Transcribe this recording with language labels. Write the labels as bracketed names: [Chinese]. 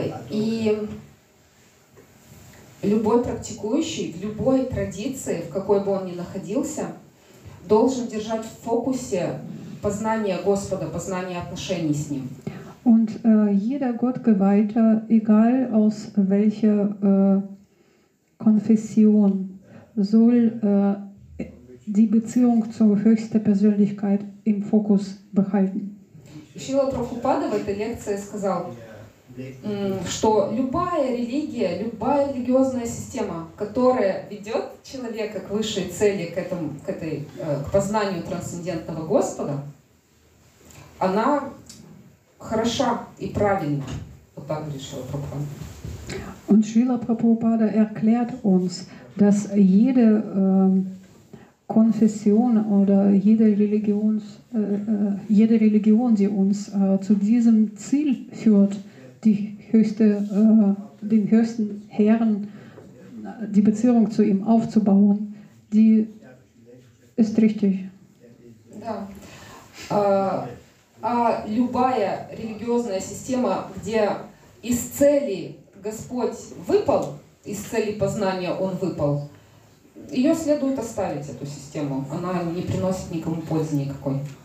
[Russian] И любой практикующий в любой традиции, в какой бы он ни находился, должен держать в фокусе познание Господа, познание отношений с Ним. [German] Und jeder Gottgeweihter, egal aus welcher Konfession, soll die Beziehung zur höchsten Persönlichkeit im Fokus behalten. [Russian] Шрила Прабхупада в этой лекции сказал, что любая религиозная система, которая ведет человека к высшей цели, к познанию трансцендентного Господа, она хороша и правильна. Вот так говорит Шрила Прабхупада. [German] Und Шрила Прабхупада erklärt uns, dass jede Konfession oder jede Religion, die uns zu diesem Ziel führt, den höchsten Herrn, die Beziehung zu ihm aufzubauen, die ist richtig. [Russian] Да. А любая религиозная система, где из цели Господь выпал, из цели познания он выпал, ее следует оставить, эту систему. Она не приносит никому пользы никакой.